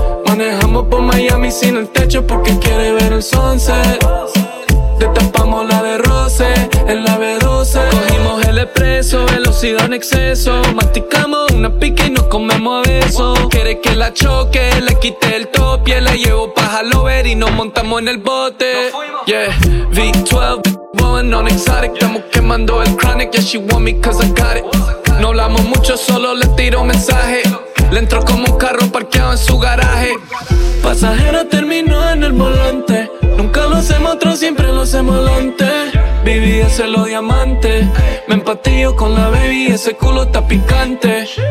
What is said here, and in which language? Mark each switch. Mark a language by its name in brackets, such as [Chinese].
[Spanish] Manejamos por Miami sin el techo porque quiere ver el sunset. Destapamos la de Rose en la B12. Cogimos el expreso, velocidad en exceso. Masticamos una pica y nos comemos a besos. Quiere que la choque, le quite el top y la llevo pa' Halover y nos montamos en el bote. [English] Yeah, V12, blowing on exotic. [Spanish] Estamos quemando el [English] chronic. Yeah, she want me cause I got it. [Spanish] No hablamos mucho, solo le tiro mensaje. Le entro como un carro parqueado en su garaje. Pasajero terminó en el volante. Nunca lo hacemos otro, siempre lo hacemos delante. Viví hacerlo diamante. Me empatillo con la baby, ese culo está picante.